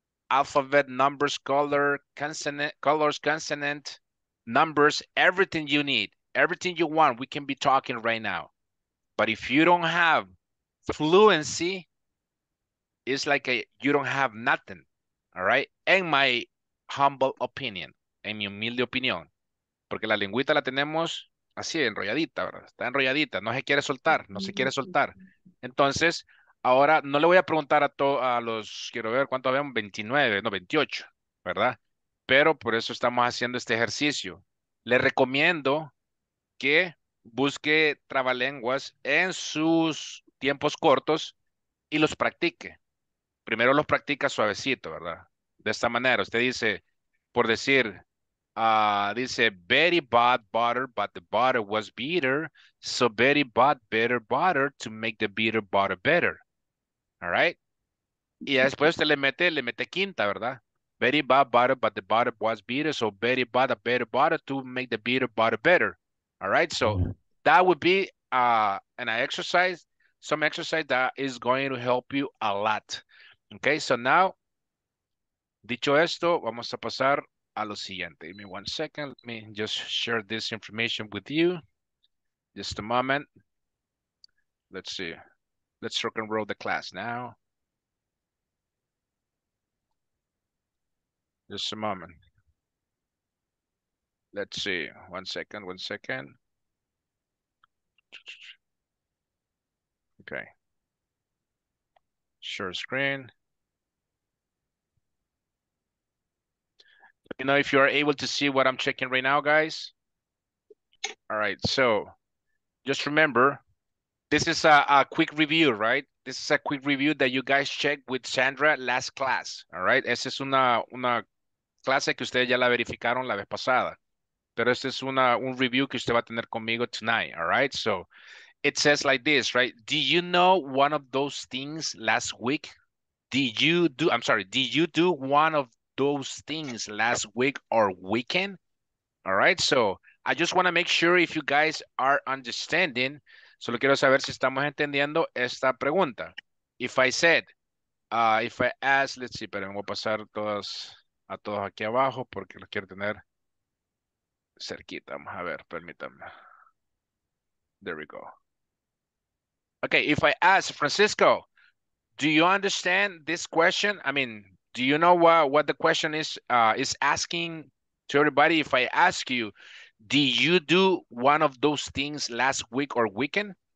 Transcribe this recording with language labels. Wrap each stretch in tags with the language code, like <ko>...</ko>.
<en>Alphabet, numbers, color, consonant, colors, consonant, numbers, everything you need, everything you want, we can be talking right now. But if you don't have fluency, it's like you don't have nothing, all right? In my humble opinion,</en> <es>en mi humilde opinión, porque la lengüita la tenemos así, enrolladita, ¿verdad? Está enrolladita, no se quiere soltar, no se quiere soltar. Entonces, ahora, no le voy a preguntar a los, quiero ver cuánto habíamos, 29, no, 28, ¿verdad? Pero por eso estamos haciendo este ejercicio. Le recomiendo que busque trabalenguas en sus tiempos cortos y los practique. Primero los practica suavecito, ¿verdad? De esta manera, usted dice, por decir, dice,</es> <en>Betty bought butter, but the butter was bitter, so Betty bought better butter to make the bitter butter better. All right.</en> <es>Y ya después usted le mete quinta, ¿verdad?</es> <en>Betty bought butter, but the butter was bitter, so Betty bought a better butter to make the bitter butter better. All right. So that would be an exercise some exercise that is going to help you a lot. Okay, so now,</en> <es>dicho esto, vamos a pasar a lo siguiente.</es> <en>Give me one second. Let me just share this information with you. Just a moment. Let's see. Let's rock and roll the class now. Just a moment. Let's see. One second. Okay. Share screen. Let me know if you are able to see what I'm checking right now, guys. All right. So just remember, this is a quick review, right? This is a quick review that you guys checked with Sandra last class. All right.</en> <es>Esa es una clase que ustedes ya la verificaron la vez pasada. Pero esta es un review que usted va a tener conmigo</es> <en>tonight. All right. So it says like this, right? Do you know one of those things last week? Did you do one of those things last week or weekend? All right. So I just want to make sure if you guys are understanding.</en> <es>Solo quiero saber si estamos entendiendo esta pregunta.</es> <en>If I ask, let's see,</en> <es>pero me voy a pasar a todos aquí abajo porque los quiero tener cerquita. Vamos a ver, permítanme.</es> <en>There we go. Okay, if I ask Francisco, do you understand this question? I mean, do you know what the question is asking to everybody? If I ask you, do you do one of those things last week or weekend?</en>